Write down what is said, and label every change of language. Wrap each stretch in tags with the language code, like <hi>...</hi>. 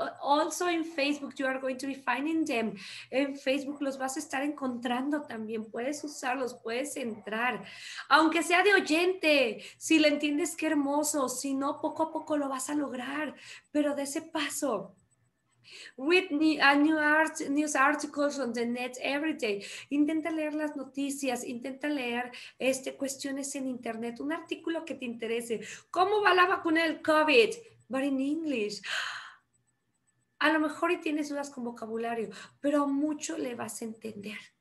<en>Also en Facebook, you are going to be finding them.</en> <es>En Facebook los vas a estar encontrando también. Puedes usarlos, puedes entrar. Aunque sea de oyente, si le entiendes, qué hermoso. Si no, poco a poco lo vas a lograr. Pero de ese paso.</es> <en>Read news articles on the net every day.</en> <es>Intenta leer las noticias, intenta leer cuestiones en internet, un artículo que te interese. ¿Cómo va la vacuna del COVID?</es> <en>But in English.</en> <es>A lo mejor y tienes dudas con vocabulario, pero mucho le vas a entender.</es>